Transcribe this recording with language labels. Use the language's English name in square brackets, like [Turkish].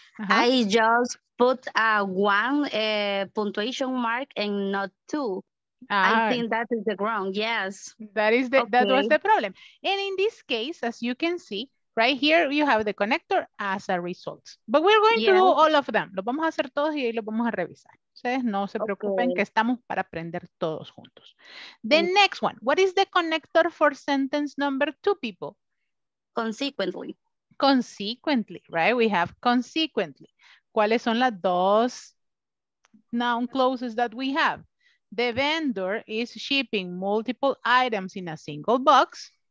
[English] Uh-huh. I just put a one punctuation mark and not two. Ah. I think that is the wrong, yes. That is the, okay. That was the problem. And in this case, as you can see, right here, you have the connector as a result. But we're going to do all of them. [Spanish] Lo vamos a hacer todos y ahí lo vamos a revisar. Ustedes no se preocupen que estamos para aprender todos juntos. [English] The next one. What is the connector for sentence number two, people? Consequently. Consequently, right? We have consequently. [Spanish] ¿Cuáles son las dos [English] noun clauses that we have? The vendor is shipping multiple items in a single box.